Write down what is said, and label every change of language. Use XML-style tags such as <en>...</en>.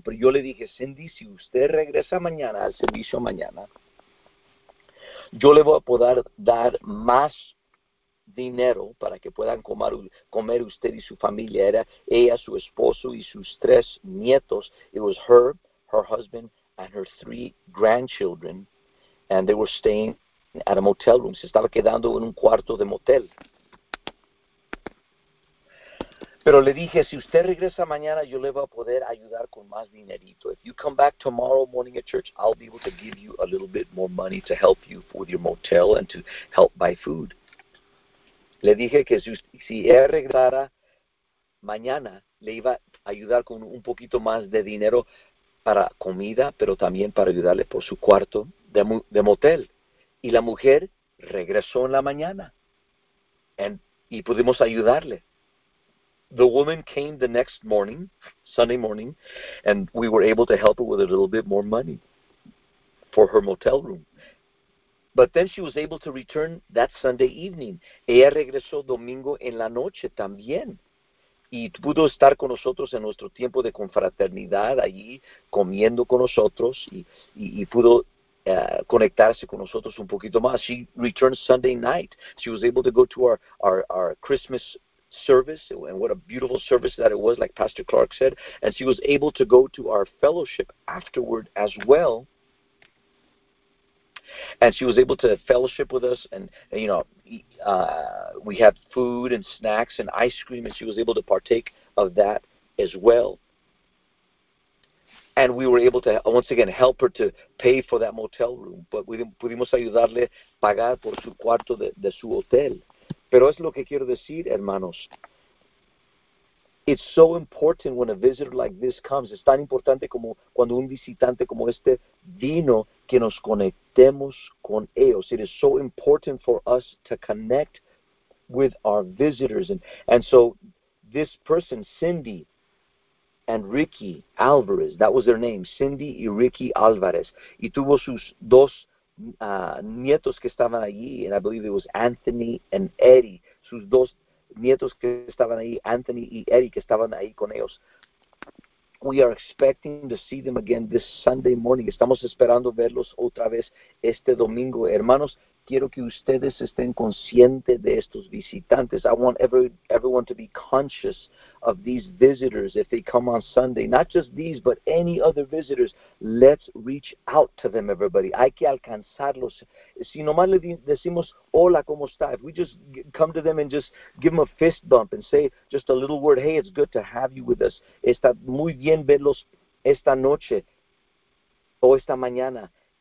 <es>Pero yo le dije, Cindy, si usted regresa mañana al servicio mañana, yo le voy a poder dar más dinero para que puedan comer usted y su familia. Era ella, su esposo y sus tres nietos.</es> <en>It was her, her husband, and her three grandchildren, and they were staying at a motel room.</en> <es>Se estaba quedando en un cuarto de motel. Pero le dije, si usted regresa mañana, yo le voy a poder ayudar con más dinerito.</es> <en>If you come back tomorrow morning at church, I'll be able to give you a little bit more money to help you with your motel and to help buy food.</en> <es>Le dije que si ella regresara mañana, le iba a ayudar con un poquito más de dinero para comida, pero también para ayudarle por su cuarto de motel. Y la mujer regresó en la mañana. Y pudimos ayudarle.</es> <en>The woman came the next morning, Sunday morning, and we were able to help her with a little bit more money for her motel room. But then she was able to return that Sunday evening.</en> <es>Ella regresó domingo en la noche también. Y pudo estar con nosotros en nuestro tiempo de confraternidad allí, comiendo con nosotros, y pudo conectarse con nosotros un poquito más.</es> <en>She returned Sunday night. She was able to go to our Christmas service, and what a beautiful service that it was, like Pastor Clark said. And she was able to go to our fellowship afterward as well. And she was able to fellowship with us, and you know, we had food and snacks and ice cream, and she was able to partake of that as well. And we were able to, once again, help her to pay for that motel room. But we</en> <es>pudimos ayudarle a pagar por su cuarto de su hotel. Pero es lo que quiero decir, hermanos.</es> <en>It's so important when a visitor like this comes.</en> <es>Es tan importante como cuando un visitante como este vino, que nos conectemos con ellos.</es> <en>It is so important for us to connect with our visitors. And so this person, Cindy and Ricky Alvarez, that was their name, Cindy y Ricky Alvarez.</en> <es>Y tuvo sus dos nietos que estaban allí,</es> <en>and I believe it was Anthony and Eddie.</en> <es>Sus dos nietos que estaban ahí, Anthony y Eddie, que estaban ahí con ellos.</es> <en>We are expecting to see them again this Sunday morning.</en> <es>Estamos esperando verlos otra vez este domingo. Hermanos, Quiero que ustedes estén conscientes de estos visitantes.</es> <en>I want everyone to be conscious of these visitors if they come on Sunday. Not just these, but any other visitors. Let's reach out to them, everybody.</en> <es>Hay que alcanzarlos. Si nomás le decimos, hola, ¿cómo está?</es> <en>If we just come to them and just give them a fist bump and say just a little word, hey, it's good to have you with us.</en> <es>Está muy bien verlos esta noche o esta mañana.</es>